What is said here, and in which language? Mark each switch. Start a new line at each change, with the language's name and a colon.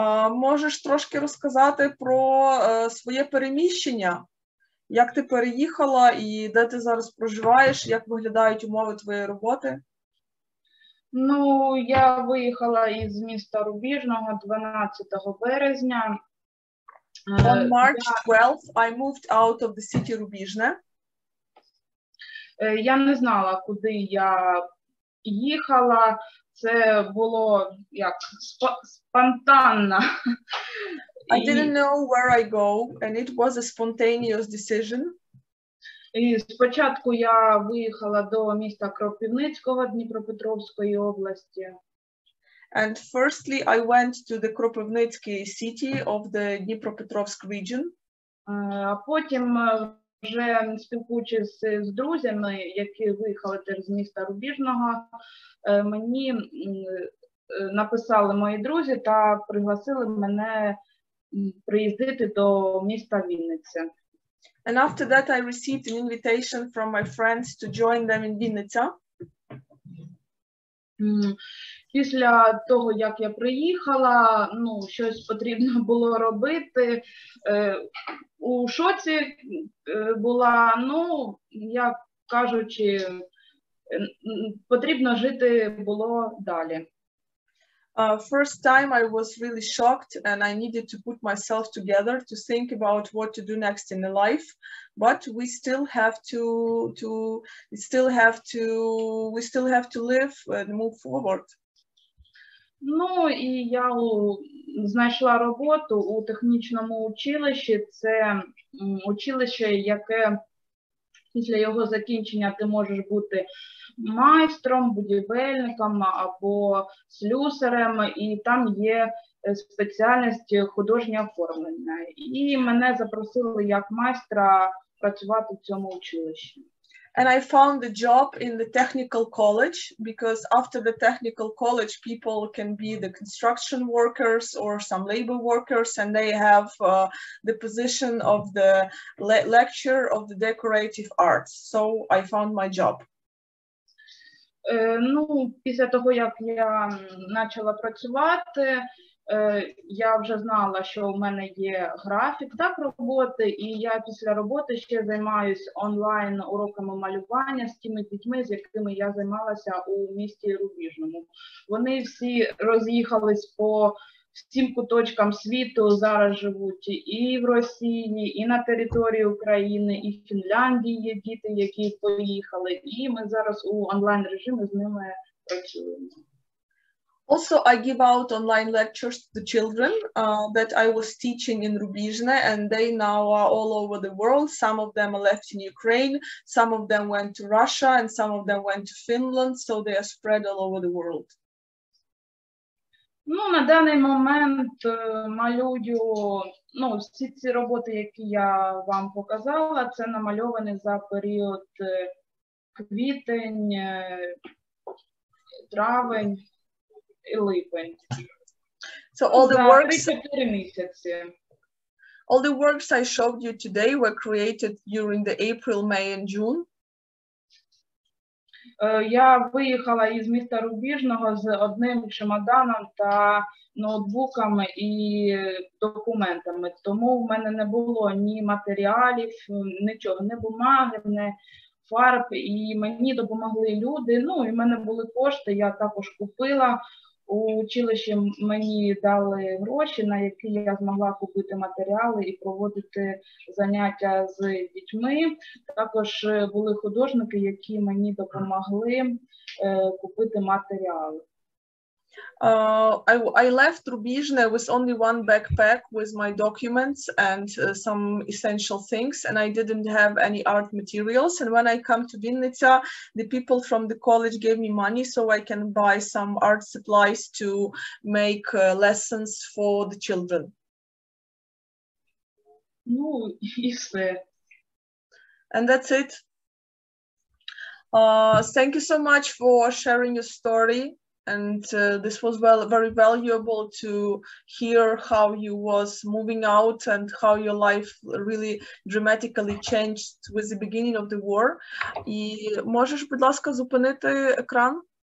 Ukrainian: Можеш трошки розказати про своє переміщення? Як ти переїхала і де ти зараз проживаєш? Як виглядають умови твоєї роботи? Ну, я виїхала із міста Рубіжного 12 березня.
English: On March 12th, I moved out of the city Rubizhne.
Ukrainian: Я не знала, куди я їхала. Це було як спонтанно.
English: I didn't know where I go, and it was a spontaneous decision.
Ukrainian: І спочатку я виїхала до міста Кропивницького Дніпропетровської області.
English: And firstly, I went to the Кропивницький city of the Dnipropetrovsk region.
Ukrainian: А потім вже спілкуючись з друзями, які виїхали теж з міста Рубіжного, мені написали мої друзі та пригласили мене приїздити до міста Вінниця.
English: And after that I received an invitation from my friends to join them in Вінниця.
Ukrainian: Після того, як я приїхала, ну, щось потрібно було робити. У шоці була, ну, як кажучи, потрібно жити було далі.
English: First time I was really shocked and I needed to put myself together to think about what to do next in the life. But we still have to live and move forward.
Ukrainian: Ну і я знайшла роботу у технічному училищі. Це училище, яке після його закінчення ти можеш бути майстром, будівельником або слюсарем, і там є спеціальність художнього оформлення. І мене запросили як майстра працювати в цьому училищі.
English: And I found a job in the technical college, because after the technical college, people can be the construction workers or some labor workers, and they have the position of the lecturer of the decorative arts. So I found my job.
Ukrainian: Ну, після того, як я почала працювати, я вже знала, що у мене є графік так роботи, і я після роботи ще займаюся онлайн уроками малювання з тими дітьми, з якими я займалася у місті Рубіжному. Вони всі роз'їхались по всім куточкам світу, зараз живуть і в Росії, і на території України, і в Фінляндії є діти, які поїхали, і ми зараз у онлайн режимі з ними працюємо.
English: Also, I give out online lectures to the children that I was teaching in Rubizhne, and they now are all over the world. Some of them are left in Ukraine, some of them went to Russia, and some of them went to Finland, so they are spread all over the world.
Ukrainian: Ну, на даний момент малюю, ну, всі ці роботи, які я вам показала, це намальовані за період квітень, травень.
English: So all the works I showed you today were created during the April, May and June.
Ukrainian: Я виїхала із міста Рубіжного з одним чемоданом та ноутбуками і документами. Тому в мене не було ні матеріалів, нічого, ні бумаги, ні фарб, і мені допомогли люди. Ну, і в мене були кошти, я також купила. У училищі мені дали гроші, на які я змогла купити матеріали і проводити заняття з дітьми. Також були художники, які мені допомогли купити матеріали.
English: I left Rubizhne with only one backpack with my documents and some essential things, and I didn't have any art materials. And when I come to Vinnytsia, the people from the college gave me money so I can buy some art supplies to make lessons for the children.
Ukrainian: Ну, і все.
English: And that's it. Thank you so much for sharing your story. And this was very valuable to hear how you was moving out and how your life really dramatically changed with the beginning of the war.
Ukrainian: І можеш, будь ласка, зупинити екран?